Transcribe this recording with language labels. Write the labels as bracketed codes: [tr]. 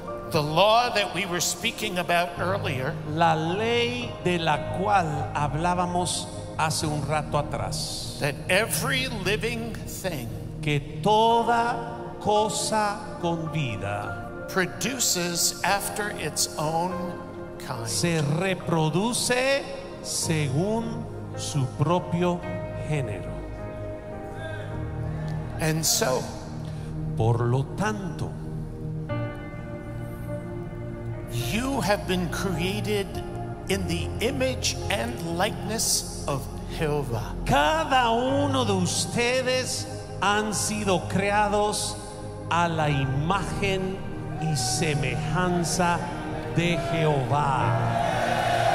[en] the law that we were speaking about earlier, [es] la ley de la cual hablábamos hace un rato atrás, [en] that every living thing, [es] que toda cosa con vida, [en] produces after its own kind, [es] se reproduce según su propio género. [en] And so, [es] por lo tanto, [en] you have been created in the image and likeness of Jehovah. [es] Cada uno de ustedes han sido creados a la imagen y semejanza de Jehová.